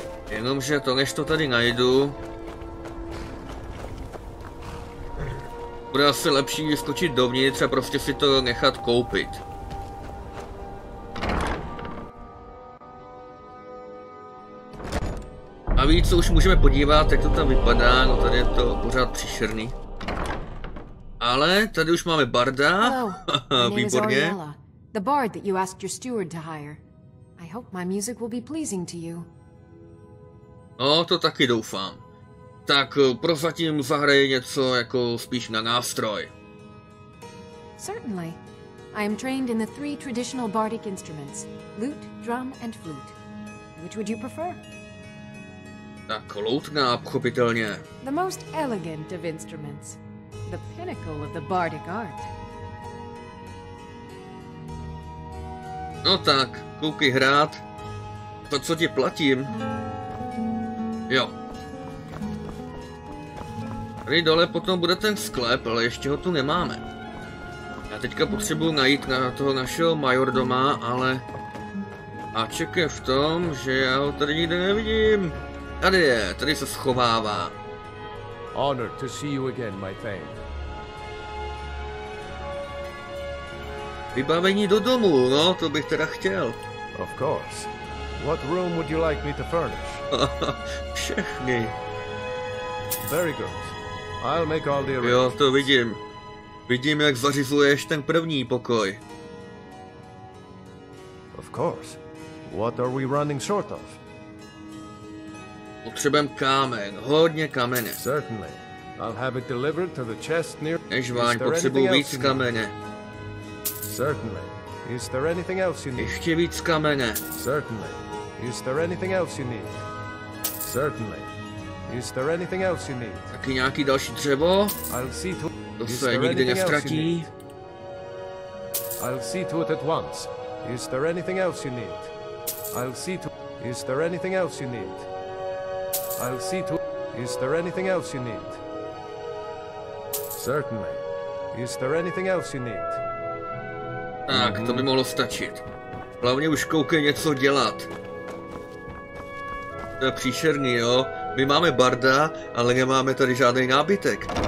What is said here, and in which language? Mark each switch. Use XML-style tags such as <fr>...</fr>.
<cs>Jenomže to, než to tady najdu, bude asi lepší skočit dovnitř a prostě si to nechat koupit. A víc, co už můžeme podívat, jak to tam vypadá, no tady je to pořád příšerný. Ale tady už máme barda. Výborně.</cs> <en>The bard that you asked your steward to hire. I hope my music will be pleasing to you.</en> <cs>No, to taky doufám. Tak prozatím zahraj něco jako spíš na nástroj.</cs> <en>Certainly. I am trained in the three traditional bardic instruments: lute, drum and flute. Which would you prefer?</en> <cs>Tak loutna, pochopitelně.</cs> <en>The most elegant of instruments. The pinnacle of the bardic art.</en> <cs>No tak, koukej hrát. To, co ti platím. Jo. Tady dole potom bude ten sklep, ale ještě ho tu nemáme. Já teďka potřebuji najít na toho našeho majordoma, ale... A ček je v tom, že já ho tady nikde nevidím. Tady je, tady se schovává.</cs> <en>Honor to see you again, my thane.</en> <cs>Vybavení do domu, no, to bych teda chtěl.</cs> <en>Of course. What room would you like me to furnish?</en> <cs>Všechny.</cs> <en>Very good. I'll make all the arrangements.</en> <cs>Jo, to vidím. Vidím, jak zařizuješ ten první pokoj.</cs> <en>Of course. What are we running short of?</en> <cs>Potřebujeme kámen, hodně kamene.</cs> <en>Certainly. I'll have it delivered to the chest near.</en> <cs>Nežváň, potřebuji víc kamene.</cs> <en>Certainly. Is there anything else you need?</en> <cs>Ještě víc kamene.</cs> <en>Certainly. Is there anything else you need? Certainly. Is there anything else you need?</en> <cs>Taky nějaký další dřevo?</cs> <en>I'll see to.</en> <cs>To se nikdy neztratí.</cs> <en>I'll see to it at once. Is there anything else you need? I'll see to. Is there anything else you need? I'll see to. Is there anything else you need? Certainly. Is there anything else you need?</en> <cs>Tak, to by mohlo stačit. Hlavně už koukej něco dělat. To je příšerný, jo? My máme barda, ale nemáme tady žádný nábytek.</cs>